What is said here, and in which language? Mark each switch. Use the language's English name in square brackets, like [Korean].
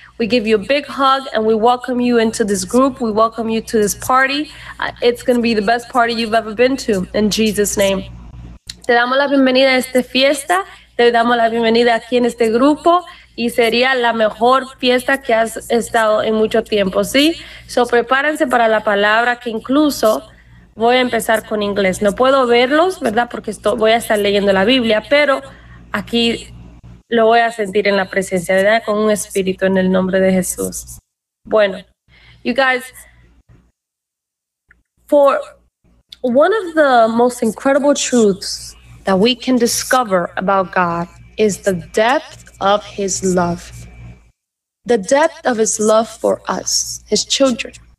[English] We give you a big hug and we welcome you into this group. We welcome you to this party. It's going to be the best party you've ever been to, in Jesus' name. [Spanish] Te damos la bienvenida a esta fiesta. Te damos la bienvenida aquí en este grupo. Y sería la mejor fiesta que has estado en mucho tiempo, ¿sí? So, prepárense para la palabra que incluso voy a empezar con inglés. No puedo verlos, ¿verdad? Porque voy a estar leyendo la Biblia, pero aquí lo voy a sentir en la presencia, ¿verdad? Con un espíritu en el nombre de Jesús. [English] Bueno, you guys, for one of the most incredible truths that we can discover about God is the depth of His love. The depth of His love for us, His children.